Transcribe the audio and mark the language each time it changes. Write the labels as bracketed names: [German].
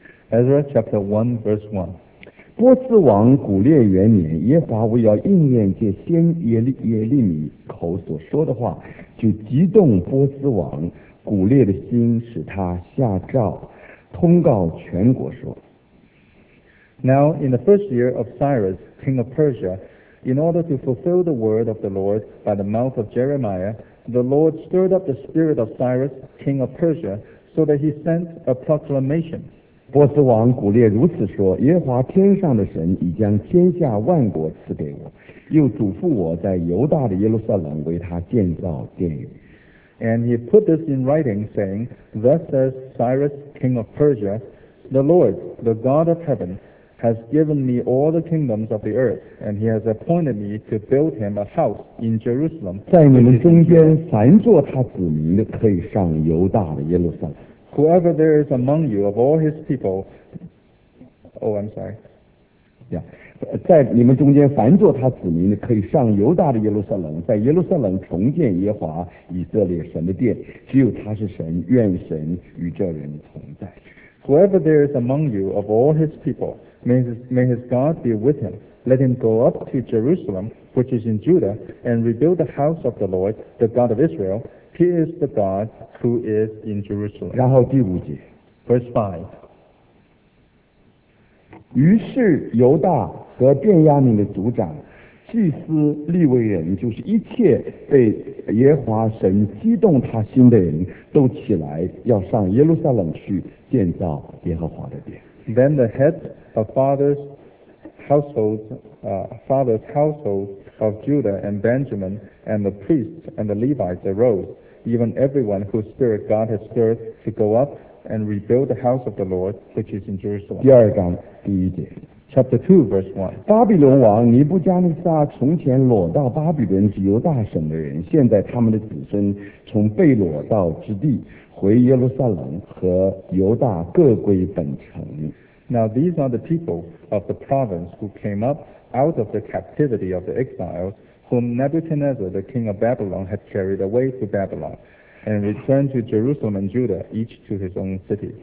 [English] Ezra chapter 1 verse 1。 [Chinese] 波斯王古列元年，耶和华为要应验借先耶利米口所说的话，就激动波斯王古列的心，使他下诏。通告全国说 [English] Now in the first year of Cyrus, king of Persia, in order to fulfill the word of the Lord by the mouth of Jeremiah, the Lord stirred up the spirit of Cyrus, king of Persia, so that he sent a proclamation. [Chinese] 波斯王古列如此说，耶和华天上的神已将天下万国赐给我，又嘱咐我在犹大的耶路撒冷为他建造殿宇。 [English] And he put this in writing, saying, Thus says Cyrus, king of Persia, The Lord, the God of heaven, has given me all the kingdoms of the earth, and he has appointed me to build him a house in Jerusalem. [Chinese] 在你们中间，凡做他子民的，可以上犹大的耶路撒冷。 [English] Whoever there is among you of all his people, oh, I'm sorry. Yeah. [Chinese] 在你们中间，凡做他子民的，可以上犹大的耶路撒冷，在耶路撒冷重建耶和华以色列神的殿。只有他是神，愿神与这人同在。 [English] Whoever there is among you of all his people, may his God be with him. Let him go up to Jerusalem, which is in Judah, and rebuild the house of the Lord, the God of Israel. He is the God who is in Jerusalem. [Chinese] 然后第五节 [English] ，verse 5。 [Chinese] 于是犹大和便雅悯的族长、祭司、利未人，就是一切被耶和华神激动他心的人，都起来要上耶路撒冷去建造耶和华的殿。 [English] Then the heads of fathers' households, fathers' households of Judah and Benjamin, and the priests and the Levites arose, even everyone whose spirit God had stirred to go up. And rebuild the house of the Lord, which is in Jerusalem. [Chinese] 第二章第一节 [English] Chapter 2, verse 1. [Chinese] 巴比伦王尼布加尼撒从前掳到巴比伦及犹大省的人，现在他们的子孙从被掳到之地回耶路撒冷和犹大各归本城。 [English] Now these are the people of the province who came up out of the captivity of the exiles, whom Nebuchadnezzar, the king of Babylon, had carried away to Babylon. And return to Jerusalem and Judah, each to his own city.